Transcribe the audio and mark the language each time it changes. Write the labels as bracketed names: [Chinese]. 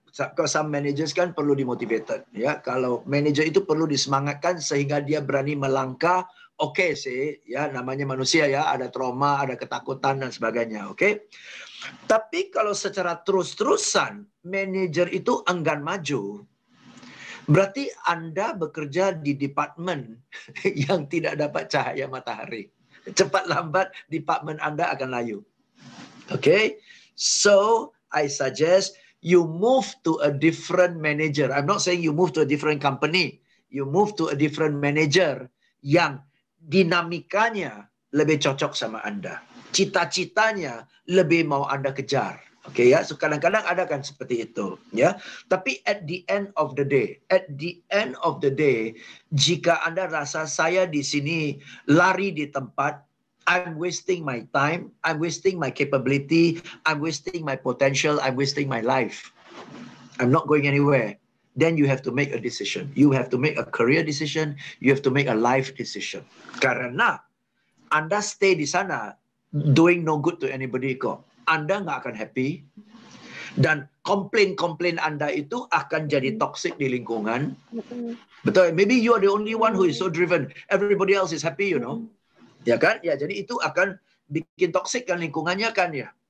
[English] Some managers [Indonesian] kan perlu dimotivated. Ya. Kalau manajer itu perlu disemangatkan sehingga dia berani melangkah, okay sih, ya, namanya manusia ya, ada trauma, ada ketakutan dan sebagainya, okay? Tapi kalau secara terus-terusan manajer itu enggan maju, berarti Anda bekerja di departemen yang tidak dapat cahaya matahari. Cepat lambat departemen Anda akan layu. Okay? [English] So, I suggest you move to a different manager. I'm not saying you move to a different company. You move to a different manager [Indonesian] yang dinamikanya lebih cocok sama Anda. Cita-citanya lebih mau Anda kejar. Okay, ya. So, kadang-kadang ada kan seperti itu. Ya. Tapi [English] at the end of the day, [Indonesian] jika Anda rasa saya di sini lari di tempat, [English] I'm wasting my time, I'm wasting my capability, I'm wasting my potential, I'm wasting my life, I'm not going anywhere, then you have to make a decision. You have to make a career decision, you have to make a life decision. [Indonesian] Karena Anda stay di sana, [English] doing no good to anybody [Indonesian] kok. Anda nggak akan happy. Dan komplain-komplain Anda itu akan jadi toxic di lingkungan. Betul. [English] Maybe you are the only one who is so driven. Everybody else is happy, you know. [Indonesian] Ya kan? Ya, jadi itu akan bikin toxic kan lingkungannya kan ya.